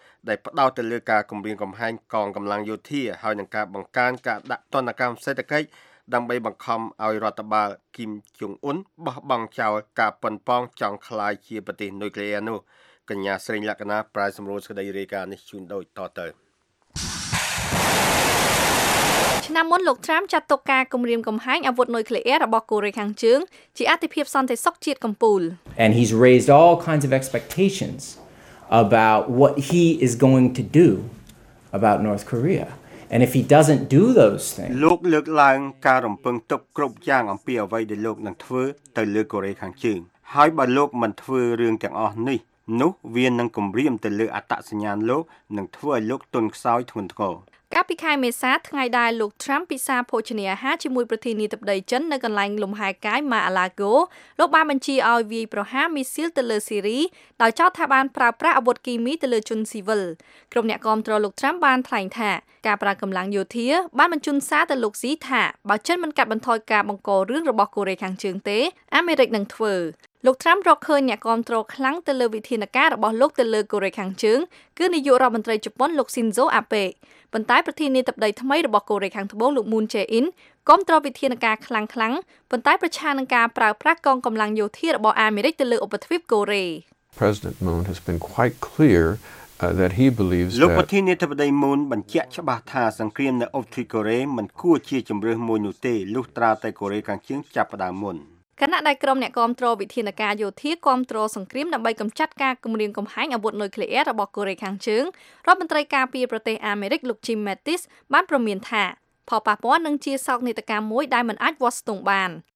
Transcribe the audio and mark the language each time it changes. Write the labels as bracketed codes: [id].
[km] ដែលផ្ដោតទៅលើការគម្រាមកំហែងកងកម្លាំងយោធាហើយនិងការបង្កើនការដាក់ទណ្ឌកម្មសេដ្ឋកិច្ចដើម្បីបង្ខំឲ្យរដ្ឋបាលគីមជុងអ៊ុនបោះបង់ចោលការប៉ុនប៉ងចង់ខ្លាយជាប្រទេសនុយក្លេអ៊ែរនោះកញ្ញាស្រីលក្ខណាប្រាយសម្រួលសក្តីរាយការណ៍នេះជូនដូចតទៅ ឆ្នាំមុនលោកត្រាំចាត់ទុកការគម្រាមកំហែងអាវុធនុយក្លេអ៊ែររបស់កូរ៉េខាងជើងជាអតិភិបសន្តិសុខជាតិកំពូល [en] And he's raised all kinds of expectations about what he is going to do about North KoreaAnd if he doesn't do those things [km] លោកលើកឡើងការរំពឹងទុកគ្រប់យ៉ាងអំពីអ្វីដែលលោកនឹងធ្វើទៅលើកូរ៉េខាងជើងហើយបើលោកមិនធ្វើរឿងទាំងអស់នេះនោះវានឹងគំរាមទៅលើអត្តសញ្ញាណលោកនិងធ្វើឲ្យលោកទន់ខ្សោយធ្ងន់ធ្ងរ កាលពីខែមេសាថ្ងៃដែលលោកត្រាំពិសារភោជនាហារជាមួយប្រធានាធិបតីចិននៅកន្លែងលំហែកាយម៉ាអាឡាហ្គោលោកបានបញ្ជាឲ្យវាយប្រហារមីស៊ីលទៅលើស៊ីរីដោយចោទថាបានប្រើប្រាស់អាវុធគីមីទៅលើជនស៊ីវិល ក្រុមអ្នកគាំទ្រលោកត្រាំបានថ្លែងថាការប្រើកម្លាំងយោធាបានបញ្ជូនសារទៅលោកស៊ីថាបើចិនមិនកាត់បន្ថយការបង្ករឿងរបស់កូរ៉េខាងជើងទេអាមេរិកនឹងធ្វើលោកត្រាំរកឃើញអ្នកគាំទ្រខ្លាំងទៅលើវិធានការរបស់លោកទៅលើកូរ៉េខាងជើងគឺនាយករដ្ឋមន្ត្រីជប៉ុនលោកស៊ីនโซអាបេប៉ុន្តែប្រធានាធិបតីថ្មីរបស់កូរ៉េខាងត្បូងលោកមូនជេអ៊ីន គាំទ្រវិធានការខ្លាំងៗប៉ុន្តែប្រឆាំងនឹងការប្រើប្រាស់កងកម្លាំងយោធារបស់អាមេរិកទៅលើឧបទ្វីបកូរ៉េ [en] President Moon has been quite clear that he believes that [km] លោកប្រធានាធិបតី Moon បញ្ជាក់ច្បាស់ថាសង្គ្រាមនៅអូស្ទ្រីកូរ៉េមិនគួរជាជម្រើសមួយនោះទេលុះត្រាតែកូរ៉េខាងជើងចាប់ផ្ដើមមុន គណៈដែលក្រុមអ្នកគាំទ្រវិធានការយោធាគាំទ្រសង្គ្រាមដើម្បីកម្ចាត់ការគម្រាមកំហែងអាវុធនុយក្លេអ៊ែររបស់កូរ៉េខាងជើងរដ្ឋមន្ត្រីការពារប្រទេសអាមេរិកលោក Jim Mattis បានព្រមានថាផលប៉ះពាល់នឹងជាសោកនាដកម្មមួយដែលមិនអាចវាស់ស្ទង់បាន